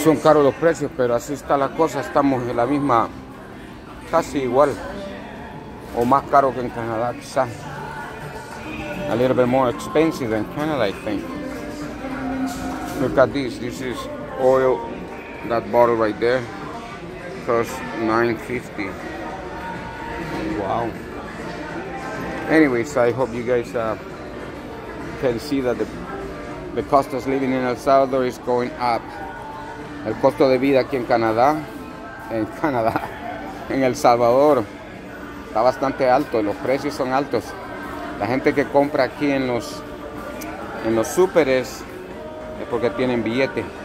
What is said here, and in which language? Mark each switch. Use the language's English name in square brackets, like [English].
[Spanish] Son caros los precios, pero así está la cosa. Estamos en la misma, casi igual, o más caro que en Canadá, quizás. [English] A little bit more expensive than Canada, I think. Look at this. This is oil, that bottle right there. Cost $9.50. Wow. Anyways, I hope you guys can see that the cost of living in El Salvador is going up. [Spanish] El costo de vida aquí en Canadá, en El Salvador, está bastante alto. Los precios son altos. La gente que compra aquí en los súperes es porque tienen billete.